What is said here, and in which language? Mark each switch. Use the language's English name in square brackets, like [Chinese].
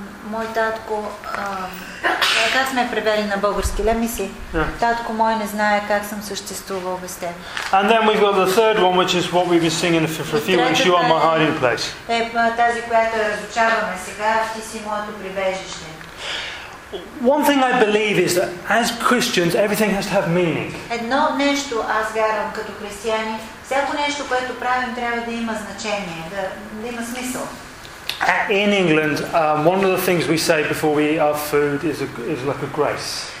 [Bulgarian] Мой татко, как сме превели на български, леми си. Татко мой не знае как съм съществувал без теб. [English] And then we've got the third one, which is what we've been singing for a few weeks. You are my hiding place. [Bulgarian] Е, тази, която разучаваме сега, ти си моето прибежище. [English] One thing I believe is that as Christians, everything has to have meaning. [Bulgarian] Едно нещо аз вярвам като християни, всяко нещо, което правим, трябва да има значение, да има смисъл. [English] In England, one of the things we say before we eat our food is like a grace.